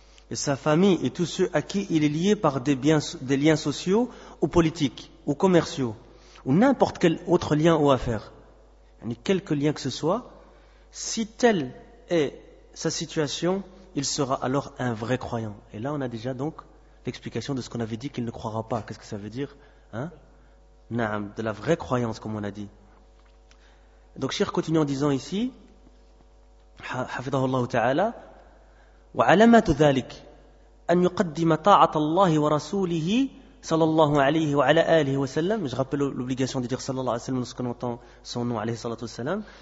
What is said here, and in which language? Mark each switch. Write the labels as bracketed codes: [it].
[fr] et sa famille et tous ceux à qui il est lié par des liens sociaux ou politiques ou commerciaux ou n'importe quel autre lien ou affaire, quelque lien que ce soit, si telle est sa situation, il sera alors un vrai croyant. Et là, on a déjà donc l'explication de ce qu'on avait dit qu'il ne croira pas. Qu'est-ce que ça veut dire, hein? Naam, de la vraie croyance, comme on a dit. Donc, Cheikh continue en disant ici, [ar] حفظه الله وعلامات ذلك أن يقدم طاعة الله ورسوله صلى الله عليه وعلى آله وسلم. [fr] Je rappelle l'obligation de dire [ar] صلى الله عليه وسلم [fr] lorsqu'on entend son nom [ar] عليه الصلاة والسلام.